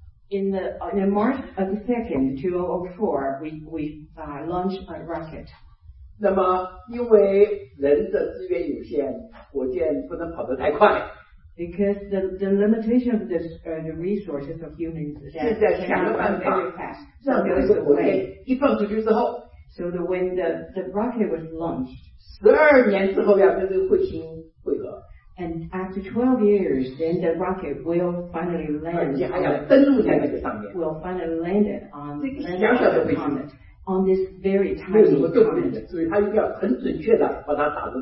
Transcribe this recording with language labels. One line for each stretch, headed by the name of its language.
English: In March 2nd, 2004, we launched a rocket.
Chinese: 那么，因为人的资源有限，火箭不能跑得太快。
English: Because the limitation of this, the resources of humans is that can't run very fast.
Chinese: 让那个火箭一放出去之后
English: ，So the when the rocket was launched,
Chinese: 12年之后要跟这个彗星。
English: And after 12 years, then the rocket will finally land.
Chinese: 而且还要登陆在那个上面。
English: Will finally land it on the comet on this very tiny comet.
Chinese: 所以它一定要很准确的把它打入。